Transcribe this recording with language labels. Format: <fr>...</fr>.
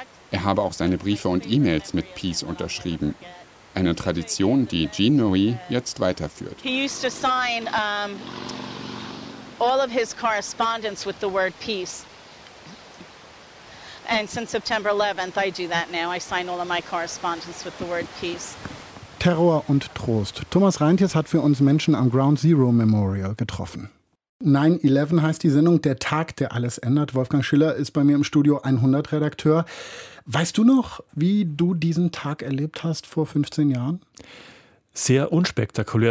<de>Er habe auch seine Briefe und E-Mails mit Peace unterschrieben. Eine Tradition, die Jean Marie jetzt weiterführt.</de> <en>He used to sign all of his correspondence with the word peace. And since September 11th, I do that now. I sign all of my correspondence with the word peace.</en> <de>Terror und Trost. Thomas Reintjes hat für uns Menschen am Ground Zero Memorial getroffen. 9-11 heißt die Sendung, der Tag, der alles ändert. Wolfgang Schiller ist bei mir im Studio 100-Redakteur. Weißt du noch, wie du diesen Tag erlebt hast vor 15 Jahren? Sehr unspektakulär.</de>